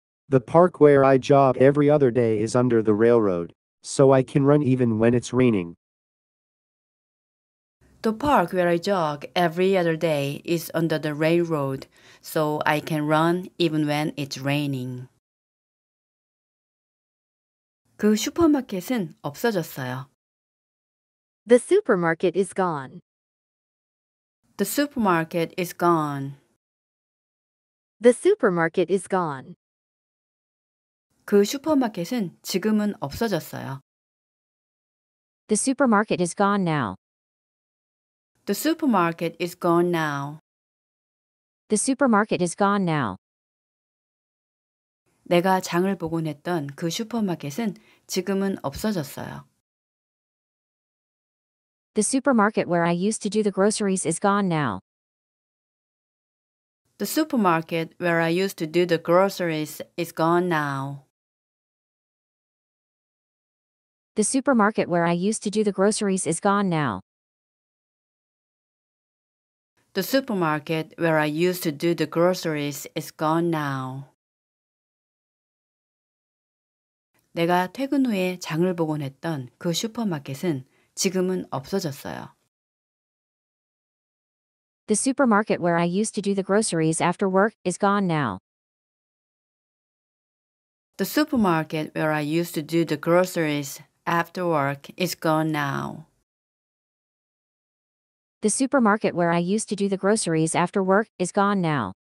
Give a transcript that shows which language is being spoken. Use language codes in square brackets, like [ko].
[en] The park where I jog every other day is under the railroad, so I can run even when it's raining. The park where I jog every other day is under the railroad, so I can run even when it's raining. [ko] 그 슈퍼마켓은 없어졌어요. [en] The supermarket is gone. The supermarket is gone. The supermarket is gone. [ko] 그 슈퍼마켓은 지금은 없어졌어요. [en] The supermarket is gone now. The supermarket is gone now. The supermarket is gone now. [ko] 내가 장을 보곤 했던 그 슈퍼마켓은 지금은 없어졌어요. [en] The supermarket where I used to do the groceries is gone now. The supermarket where I used to do the groceries is gone now. The supermarket where I used to do the groceries is gone now. The supermarket where I used to do the groceries is gone now. [ko] 내가 퇴근 후에 장을 보곤 했던 그 슈퍼마켓은 지금은 없어졌어요. [en] The supermarket where I used to do the groceries after work is gone now. The supermarket where I used to do the groceries after work is gone now. The supermarket where I used to do the groceries after work is gone now.